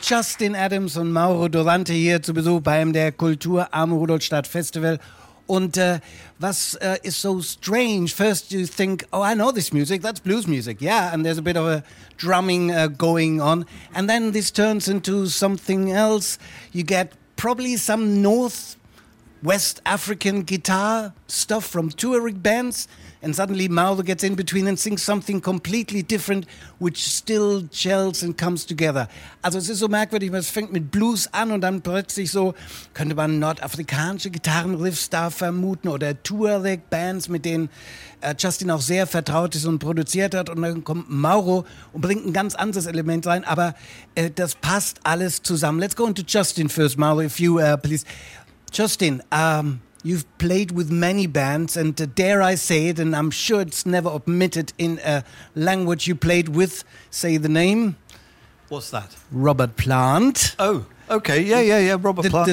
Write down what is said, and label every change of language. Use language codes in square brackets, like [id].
[de] Justin Adams und Mauro Durante hier zu Besuch beim der Kultur am Rudolstadt Festival. Und was ist so strange? [en] First you think, oh, I know this music, that's blues music. Yeah, and there's a bit of a drumming going on. And then this turns into something else. You get probably some North West African guitar stuff from touring bands. And suddenly Mauro gets in between and sings something completely different, which still gels and comes together. [de] Also es ist so merkwürdig, man fängt mit Blues an und dann plötzlich so, könnte man nordafrikanische Gitarrenriffs da vermuten oder Tuareg-Bands, mit denen Justin auch sehr vertraut ist und produziert hat. Und dann kommt Mauro und bringt ein ganz anderes Element rein, aber das passt alles zusammen. [en] Let's go into Justin first, Mauro, if you please. Justin, you've played with many bands, and dare I say it, and I'm sure it's never omitted in a language you played with, say the name. What's that? Robert Plant. Oh, okay, yeah, Robert Plant,